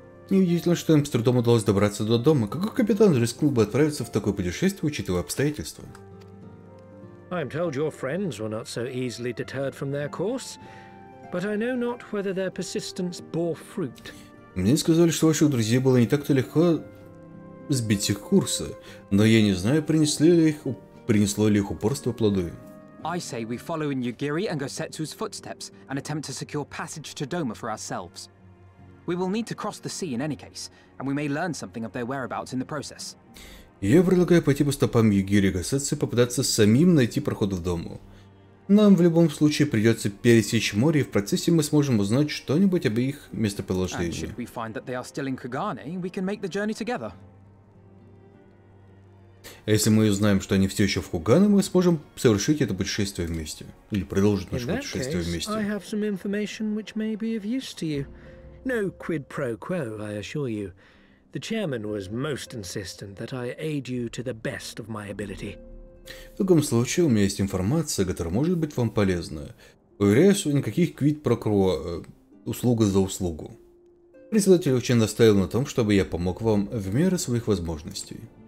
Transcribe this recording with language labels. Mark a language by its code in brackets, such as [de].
[ru] Неудивительно, что им с трудом удалось добраться до дома. Какой капитан рискнул бы отправиться в такое путешествие, учитывая обстоятельства? [en] I'm told your friends were not so easily deterred from their course, but I know not whether their persistence bore fruit. [ru] Мне сказали, что ваших друзей было не так-то легко сбить их курса, но я не знаю, принесло ли их упорство плоды. [en] I say we follow in Yugiri and Gosetsu's footsteps and attempt to secure passage to Doma for ourselves. We will need to cross the sea in any case, and we may learn something of their whereabouts in the process. [ru] Я предлагаю пойти по стопам Югири Гасетсу и попытаться самим найти проход в дому. Нам в любом случае придется пересечь море, и в процессе мы сможем узнать что-нибудь об их местоположении. [en] And should we find that they are still in Kagane, we can make the journey together. [ru] Если мы узнаем, что они все еще в Кугане, мы сможем совершить это путешествие вместе. Или продолжить наше путешествие вместе. [en] I have some information which may be of use to you. No quid pro quo, I assure you. The chairman was most insistent that I aid you to the best of my ability. [ru] В таком случае у меня есть информация, которая может быть вам полезна. Уверяю, что никаких quid pro quo, услуга за услугу. Председатель очень настаивал на том, чтобы я помог вам в меру своих возможностей.